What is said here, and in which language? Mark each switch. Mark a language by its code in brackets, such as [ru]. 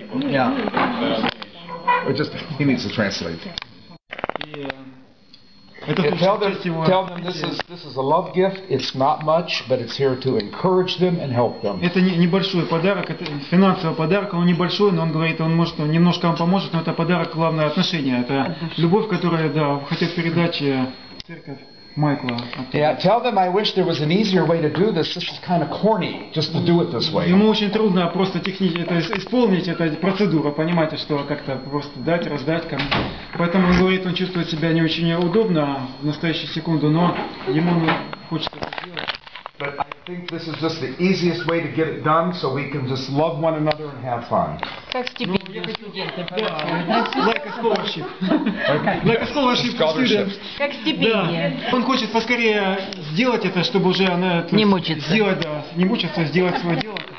[en] Yeah. Or just he needs to translate. Tell them this is a love gift. It's not much, but it's here to encourage them and help them. [ru] Это небольшой подарок, это финансовый подарок, он небольшой, но он говорит, он может немножко вам поможет, но это подарок главное отношение, это любовь, которая да хотят передать церковь. [en] Michael, yeah, tell them I wish there was an easier way to do this. This is kind of corny, just to do it this way. [ru] Ему очень трудно просто технически это исполнить эту процедуру, понимаете, что как-то просто дать, раздать кому. Поэтому он говорит, он чувствует себя не очень удобно в настоящую секунду, но ему хочется это сделать. [en] But I think this is just the easiest way to get it done, so we can just love one another and have fun. [ru] Как [en] стипендия. Like a scholarship. Like a scholarship for students. [ru] Как стипендия. Он хочет поскорее сделать это, чтобы уже она... Не мучиться. Сделать, да. Не мучиться, сделать свое дело.